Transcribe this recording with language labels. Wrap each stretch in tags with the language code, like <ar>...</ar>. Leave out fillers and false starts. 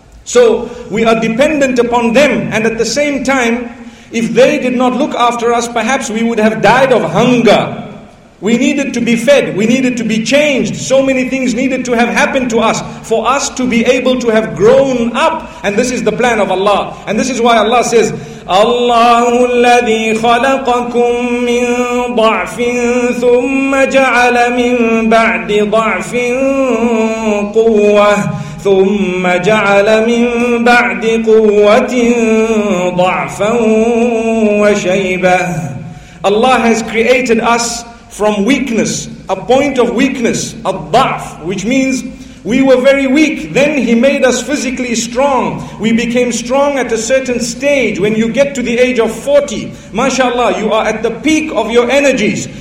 <en>So we are dependent upon them, and at the same time, if they did not look after us, perhaps we would have died of hunger. We needed to be fed, we needed to be changed, so many things needed to have happened to us for us to be able to have grown up. And this is the plan of Allah, and this is why Allah says,</en> <ar>اللَّهُ الَّذِي خَلَقَكُم مِّن ضَعْفٍ ثُمَّ جَعَلَ مِن بَعْدِ ضَعْفٍ قُوَّةٍ ثُمَّ جَعَلَ مِن بَعْدِ قُوَّةٍ ضَعْفًا وَشَيْبًا.</ar> <en>Allah has created us from weakness, a point of weakness, a ضعف, which means we were very weak. Then He made us physically strong. We became strong at a certain stage. When you get to the age of 40, mashallah, you are at the peak of your energies.</en>